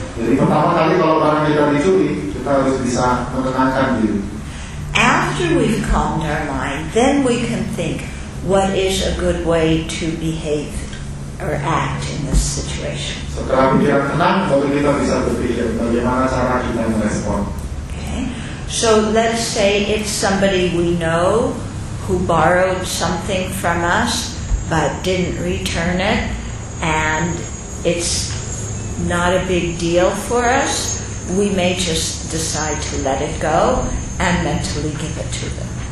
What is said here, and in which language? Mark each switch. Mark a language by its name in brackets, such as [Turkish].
[Indonesian] Jadi pertama kali kalau barang kita dicuri, kita harus bisa menenangkan diri. [English] After we've calmed our mind, then we can think what is a good way to behave or act in this situation. [Indonesian] Setelah pikiran tenang, baru kita bisa berpikir bagaimana cara kita merespon. [English] Okay. So let's say it's somebody we know who borrowed something from us but didn't return it, and it's not a big deal for us, we may just decide to let it go and mentally give it to them.